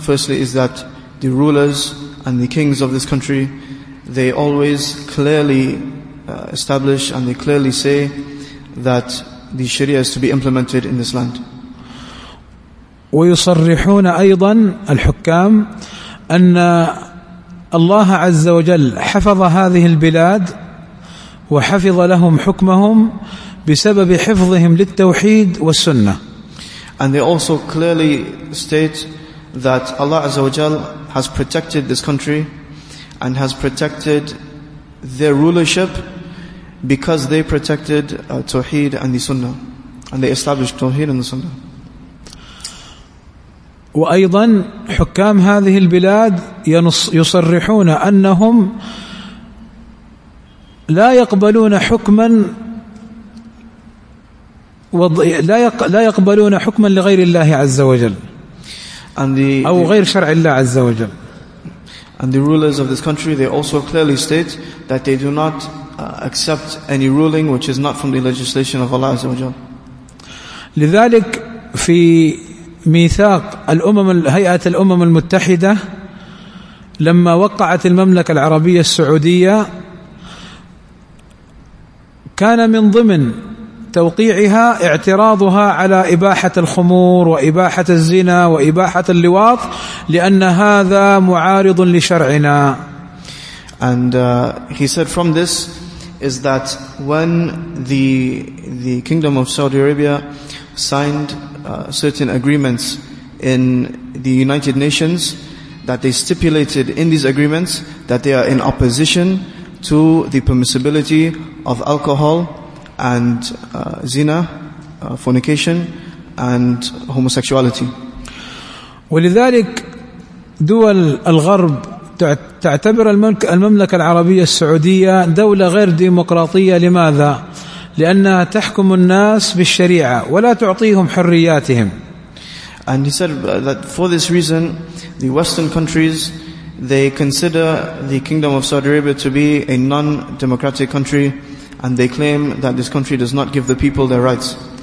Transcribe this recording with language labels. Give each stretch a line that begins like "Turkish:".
English: Firstly is that the rulers and the kings of this country, they always clearly establish and they clearly say that the Sharia is to be implemented in this land.
Arabic: ويصرحون أيضا الحكام أن الله عز وجل حفظ هذه البلاد وحفظ لهم حكمهم بسبب حفظهم للتوحيد والسنة.
English: And they also clearly state that Allah
Arabic: عز وجل
English: has protected this country and has protected their rulership because they protected Tawheed and the Sunnah and they established Tawheed and the Sunnah.
Arabic: وأيضا حكام هذه البلاد يصرحون أنهم لا يقبلون حكما لا يقبلون حكما لغير الله عز وجل أو غير شرع الله عز وجل.
English: And the rulers of this country, they also clearly state that they do not accept any ruling which is not from the legislation of Allah
Arabic: عز وجل. لذلك في ميثاق الأمم هيئة الأمم المتحدة لما وقعت المملكة العربية السعودية كان من ضمن توقيعها اعتراضها على إباحة الخمور وإباحة الزنا وإباحة اللواط لأن هذا معارض لشرعنا.
English: And he said from this is that when the Kingdom of Saudi Arabia signed certain agreements in the United Nations, that they stipulated in these agreements that they are in opposition to the permissibility of alcohol and zina, fornication and homosexuality.
Arabic: ولذلك دول الغرب تعتبر المملكة العربية السعودية دولة غير ديمقراطية. لماذا؟ لأنها تحكم الناس بالشريعة ولا تعطيهم حرياتهم.
English: And he said that for this reason the Western countries, they consider the Kingdom of Saudi Arabia to be a non-democratic country, and they claim that this country does not give the people their rights.